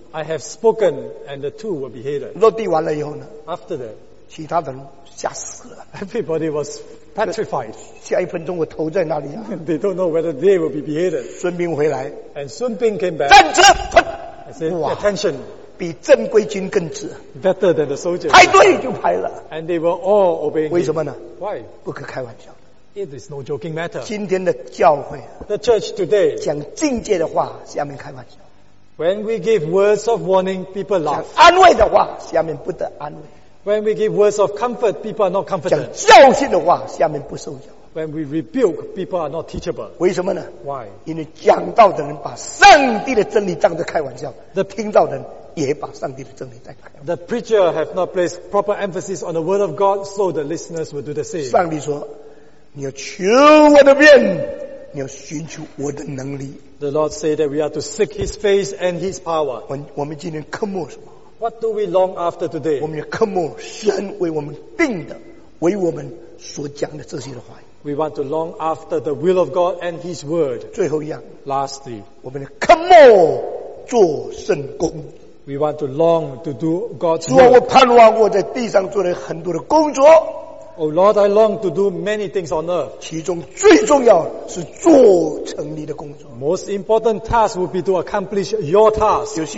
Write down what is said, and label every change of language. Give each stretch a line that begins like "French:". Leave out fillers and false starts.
English: I have spoken and the two were beheaded.
Chinese: 落地完了以后呢，
English: After that,
Chinese: 其他的人吓死了。
English: Everybody was petrified.
Chinese: 下一分钟我头在哪里？
English: They don't know whether they will be beheaded.
Chinese: 孙膑回来，
English: And Sun Bin came back.
Chinese: 站直，
English: I said, attention.
Chinese: 比正规军更直。
English: Better than the soldiers.
Chinese: 排队就排了。
English: And they were all obeying.
Chinese: 为什么呢？
English: Why?
Chinese: 不可开玩笑。
English: It is no joking matter.
Chinese: 今天的教会，
English: the church today,
Chinese: 讲境界的话， 下面开玩笑。
English: When we give words of warning, people laugh.
Chinese: 讲安慰的话， 下面不得安慰。
English: When we give words of comfort, people are not confident.
Chinese: 讲教训的话， 下面不受教。
English: When we rebuke, people are not teachable.
Chinese: 为什么呢？
English: Why?
Chinese: 因为讲道的人把上帝的真理当着开玩笑， 听到的人
English: The preacher have not placed proper emphasis on the word of God, so the listeners will do the same.
Chinese: 上帝说， 你要求我的面， 你要寻求我的能力。
English: The Lord said that we are to seek His face and His power.
Chinese: 我们今天渴慕什么？
English: What do we long after today?
Chinese: 我们要渴慕神为我们定的， 为我们所讲的这些的话语。
English: We want to long after the will of God and His word.
Chinese: 最后一样，
English: Lastly,
Chinese: 我们要渴慕做圣工。
English: We want to long to do God's work.
Chinese: 主啊，我盼望我在地上做了很多的工作。
English: Oh Lord, I long to do many things on earth.
Chinese: 其中最重要是做成你的工作。
English: Most important task would be to accomplish your task.